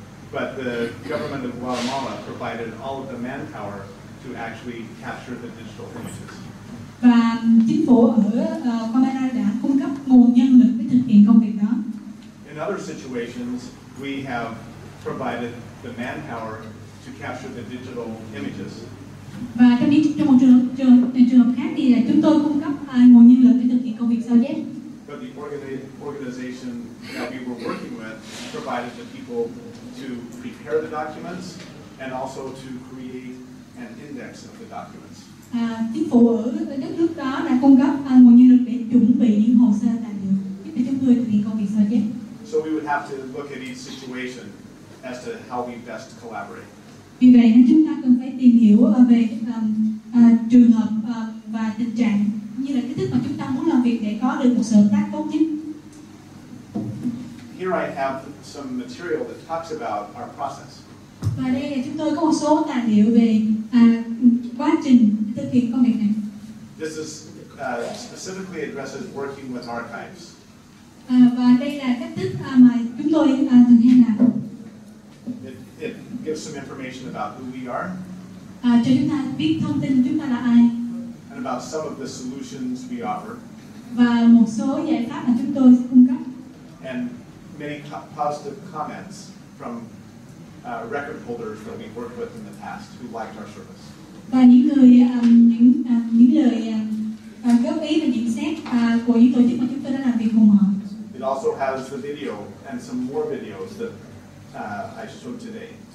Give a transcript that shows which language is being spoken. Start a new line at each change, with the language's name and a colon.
English: But the government of Guatemala provided all of the manpower to actually capture the digital images.
Vietnamese: Và chính phủ ở Guatemala đã cung cấp nguồn nhân lực để thực hiện công việc đó.
English: In other situations, we have provided the manpower to capture the digital images.
Vietnamese: Và trong những trường hợp khác thì chúng tôi cung cấp nguồn nhân lực để thực hiện công việc sao chép.
English: But the organization that we were working with provided the people to prepare the documents and also to create an index of the documents.
Vietnamese: Chính phủ ở đất nước đó đã cung cấp nguồn nhân lực để chuẩn bị những hồ sơ tài liệu giúp cho chúng tôi thực hiện công việc sao chép.
English: So we would have to look at each situation as to how we best collaborate.
Vietnamese: Vì vậy nên chúng ta cần phải tìm hiểu về trường hợp và tình trạng như là cái thứ mà chúng ta muốn làm việc để có được một sự hợp tác tốt nhất.
English: Here I have some material that talks about our process.
Vietnamese: Và đây là chúng tôi có một số tài liệu về quá trình thực hiện công việc này.
English: This is specifically addresses working with archives.
Vietnamese: Và đây là cách thức mà chúng tôi thường hay làm.
English: It gives some information about who we are.
Vietnamese: Cho chúng ta biết thông tin chúng ta là ai.
English: And about some of the solutions we offer.
Vietnamese: Và một số giải pháp mà chúng tôi cung cấp.
English: And many positive comments from record holders that we've worked with in the past who liked our service.
Vietnamese: và những người những lời góp ý và nhận xét của những tổ chức mà chúng tôi đã làm việc cùng họ.
English: It also has the video and some more videos that I showed today.